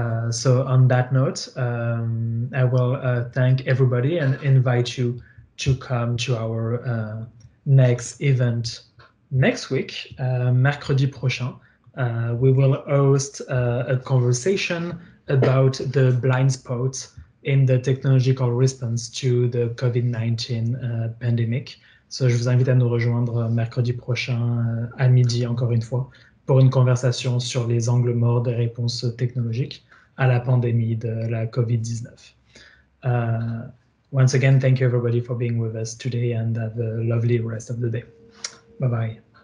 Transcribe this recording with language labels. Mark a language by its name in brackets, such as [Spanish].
[English] So on that note, I will thank everybody and invite you to come to our next event next week, [French] mercredi prochain. [English] We will host a conversation about the blind spots in the technological response to the COVID-19 pandemic. [French] So je vous invite à nous rejoindre mercredi prochain à midi, encore une fois, pour une conversation sur les angles morts des réponses technologiques à la pandémie de la COVID-19. [English] Once again, thank you everybody for being with us today, and have a lovely rest of the day. Bye-bye.